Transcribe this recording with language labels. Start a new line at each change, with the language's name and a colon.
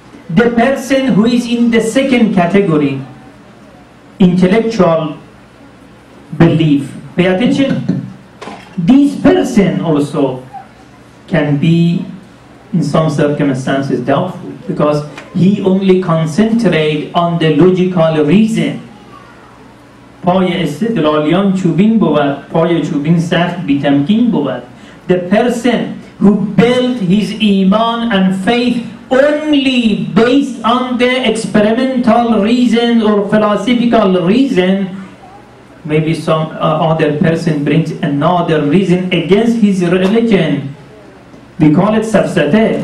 English: The person who is in the second category, intellectual belief, pay attention. This person also can be, in some circumstances, doubtful because he only concentrate on the logical reason.
Persian: پای استدلالیان چوبین بود، پای چوبین سخت بیتمکین بود.
English: The person who built his iman and faith only based on the experimental reason or philosophical reason, maybe some other person brings another reason against his religion, we call it safsata.